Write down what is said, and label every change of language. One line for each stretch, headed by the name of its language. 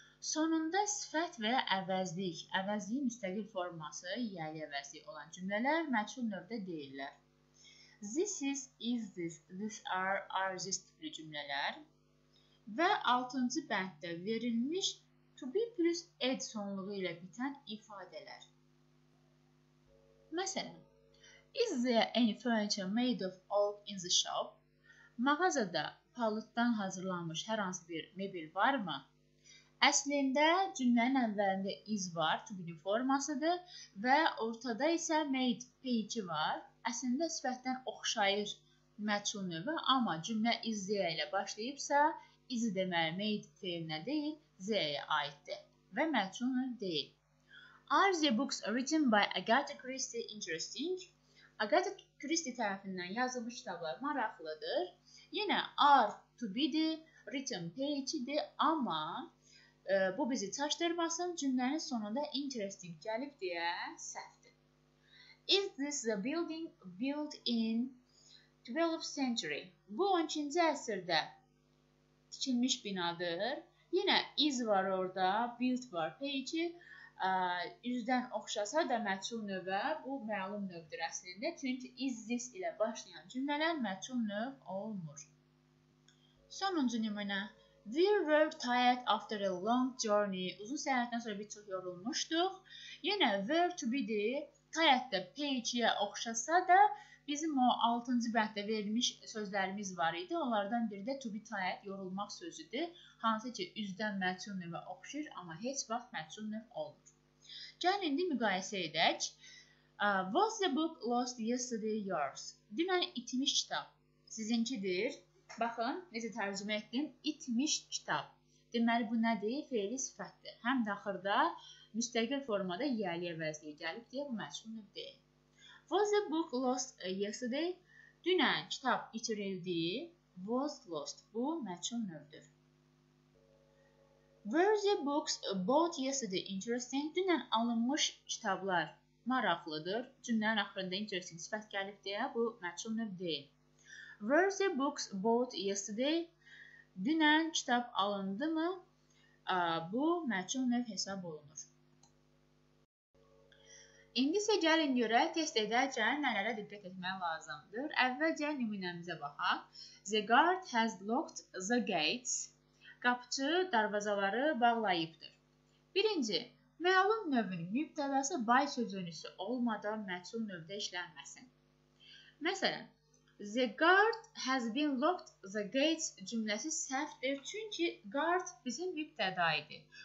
Azerbaijani: Sonunda sifət və əvəzlik, əvəzliyin müstəqil forması, yəni əvəzlik olan cümlələr məcmuə növdə deyillər.
English: This is, is this, this are this
Azerbaijani: tipli cümleler. Ve 6. bəndə verilmiş to be plus ed sonluğu ilə bitən ifadələr. Məsələn,
English: is there any furniture made of oak in the shop?
Azerbaijani: Mağazada palıddan hazırlanmış hər hansı bir mebel varmı? Əslində cümlənin əvvəlində is var, to be-nin formasıdır və ortada isə made peyici var. Əslində sifətdən oxşayır məçul növü, amma cümlə is there ilə başlayıbsa, is deməli made feyilinə deyil, there-yə aiddir və məçul növ deyil.
English: Are the books written by Agatha Christie interesting?
Azerbaijani: Agatha Christie tərəfindən yazılmış kitablar maraqlıdır. Yenə are to be-dir, written page-dir, amma bu bizi çaşdırmasın, cümlənin sonunda interesting gəlib deyə səhvdir.
English: Is this the building built in 12th century?
Azerbaijani: Bu 12-ci əsrdə tikilmiş binadır. Yenə is var orada, built var, page-i. Üzdən oxşasa da məçul növə, bu məlum növdür əslində. Çünki is this ilə başlayan cümlələr məçul növ olmur. Sonuncu nümunə.
English: We were tired after a long journey.
Azerbaijani: Uzun səyahətdən sonra bir çox yorulmuşduq. Yenə were to be-dir. Tired də page-yə oxşasa da bizim o 6-cı bənddə verilmiş sözlərimiz var idi. Onlardan biri də to be tired, yorulmaq sözüdür. Hansı ki, üzdən məçul növə oxşur, amma heç vaxt məçul növ olmur. Gəlin, indi müqayisə edək.
English: Was the book lost yesterday yours?
Azerbaijani: Deməli, itmiş kitab sizinkidir. Baxın, necə tərcümə etdim? İtmiş kitab. Deməli, bu nədir? Feili sifətdir. Həm də axırda müstəqil formada yəliyə vəzliyə gəlib deyə bu məçul növ deyil.
English: Was the book lost yesterday?
Azerbaijani: Dünən kitab itirildi.
English: Was lost.
Azerbaijani: Bu məçul növdür.
English: Were the books bought yesterday interesting?
Azerbaijani: Dünən alınmış kitablar maraqlıdır. Cümlənin axırında interesting sifət gəlib deyə bu məçul növ deyil.
English: Were the books bought yesterday?
Azerbaijani: Dünən kitab alındı mı? Bu məçul növ hesab olunur. İndi isə gəlin görək, test edəcək nələrə diqqət etmək lazımdır. Əvvəlcə nümunəmizə baxaq.
English: The guard has locked the gates.
Azerbaijani: Qapıcı darvazaları bağlayıbdır. Birinci, məlum növün mübtədası by sözünüsü olmadan məçul növdə işlənməsin. Məsələn,
English: the guard has been locked the gates
Azerbaijani: cümləsi səhvdir, çünki guard bizim mübtəda idi.